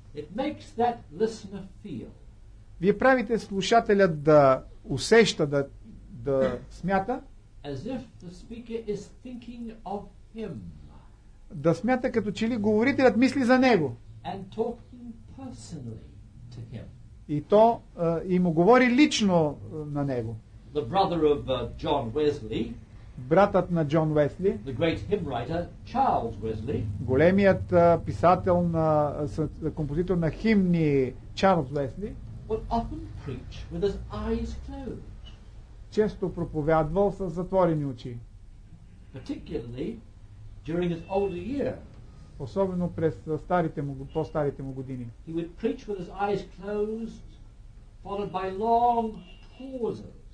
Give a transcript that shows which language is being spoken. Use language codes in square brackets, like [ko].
[en] it makes that listener feel. [bg] Вие правите слушателя да усеща, да смята. [en] As if the speaker is thinking of him. [bg] Да смята, като че ли говорителят мисли за него. [en] And talking personally to him. [bg] И то и му говори лично на него. [en] The brother of John Wesley. [bg] Братът на Джон Уесли, [en] the great hymn writer, Charles Wesley, [bg] големият писател на композитор на химни Чарлз Уесли, [en] would often preach with his eyes closed. [bg] Често проповядвал с затворени очи. [en] Particularly during his older year. [bg] Особено през по-старите му години. [en] He would preach with his eyes closed. followed by long pauses.